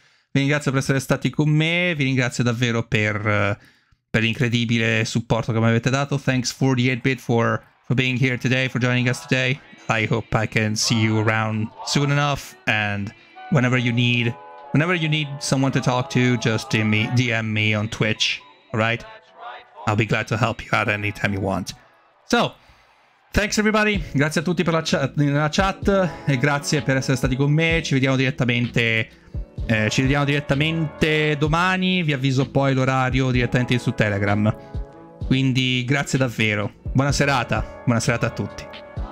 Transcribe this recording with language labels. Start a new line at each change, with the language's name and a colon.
Italian: Vi ringrazio per essere stati con me, vi ringrazio davvero per l'incredibile supporto che mi avete dato.
English: Thanks 48bit for being here today, for joining us today. I hope I can see you around soon enough, and whenever you need someone to talk to, just DM me on Twitch, alright? I'll be glad to help you out anytime you want. So, thanks everybody,
Italian: grazie a tutti per la chat, e grazie per essere stati con me. Ci vediamo direttamente... ci vediamo direttamente domani, vi avviso poi l'orario direttamente su Telegram. Quindi grazie davvero, buona serata a tutti.